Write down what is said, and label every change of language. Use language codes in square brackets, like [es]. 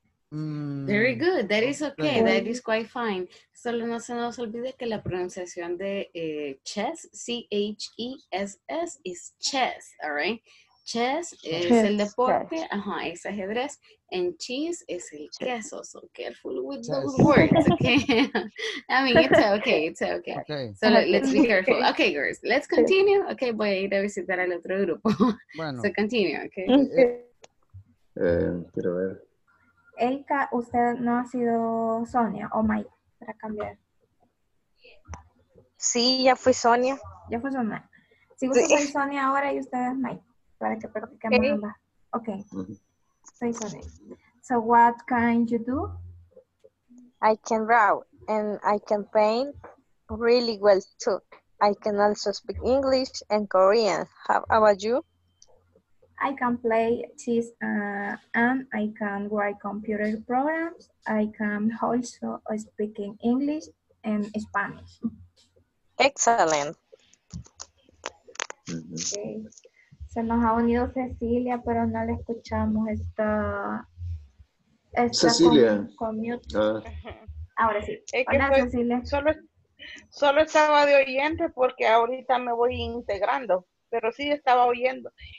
[en] Very good. That is okay. That is quite fine. [es] Solo no se nos olvide que la pronunciación de chess, C-H-E-S-S, [en] is chess, all right? [es] Chess es el deporte, ajá, es ajedrez, [en] and cheese [es] es el queso, [en] so careful with those words, okay? I mean, it's okay. So let's be careful. Okay, girls, let's continue. [es] Okay, voy a ir a visitar al otro grupo. [en] Bueno. So continue, okay? [es] Quiero ver. Erika, usted no ha sido Sonia o Maya, para cambiar. Sí, ya fui Sonia. Ya fui Sonia. Si sí, usted es Sonia ahora y usted es Maya, para que practiquemos. [en] Okay. [es] Soy Sonia. [en] So what can you do? I can draw and I can paint really well too. I can also speak English and Korean. How about you? I can play chess and I can write computer programs. I can also speak in English and Spanish. Excellent. Okay. [es] Se nos ha unido Cecilia, pero no la escuchamos. Está Cecilia. Con mute. Ahora sí. Hola, fue, Cecilia. Solo estaba de oyente porque ahorita me voy integrando, pero sí estaba oyendo.